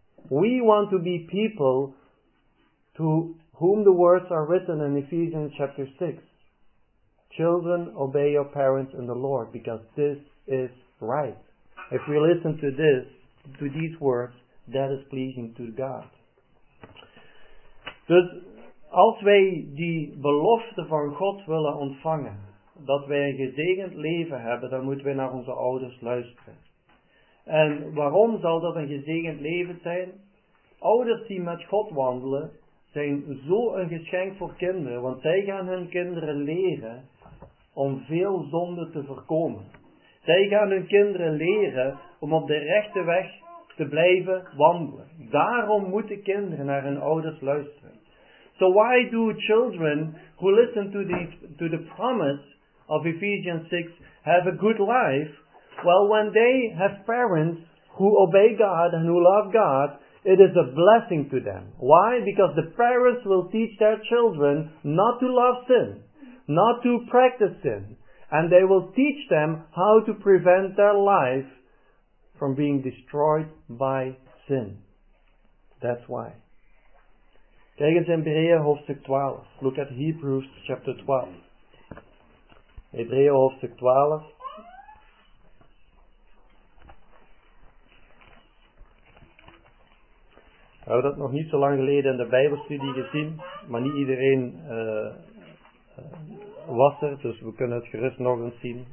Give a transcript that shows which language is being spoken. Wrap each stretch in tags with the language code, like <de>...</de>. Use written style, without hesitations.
<en>We want to be people to whom the words are written in Ephesians chapter 6. Children, obey your parents in the Lord, because this is right. If we listen to this, to these words, that is pleasing to God.</en> <nl>Dus als wij die belofte van God willen ontvangen, dat wij een gezegend leven hebben, dan moeten wij naar onze ouders luisteren. En waarom zal dat een gezegend leven zijn? Ouders die met God wandelen, zijn zo een geschenk voor kinderen, want zij gaan hun kinderen leren om veel zonden te voorkomen. Zij gaan hun kinderen leren om op de rechte weg te blijven wandelen. Daarom moeten kinderen naar hun ouders luisteren.</nl> <en>So why do children who listen to the promise of Ephesians 6 have a good life? Well, when they have parents who obey God and who love God, it is a blessing to them. Why? Because the parents will teach their children not to love sin, not to practice sin, and they will teach them how to prevent their life from being destroyed by sin. That's why.</en> <nl>Kijk eens in Hebreeën hoofdstuk 12.</nl> <en>Look at Hebrews chapter 12.</en> <nl>Hebreeën hoofdstuk 12. We hebben dat nog niet zo lang geleden in de Bijbelstudie gezien, maar niet iedereen was er, dus we kunnen het gerust nog eens zien.</nl>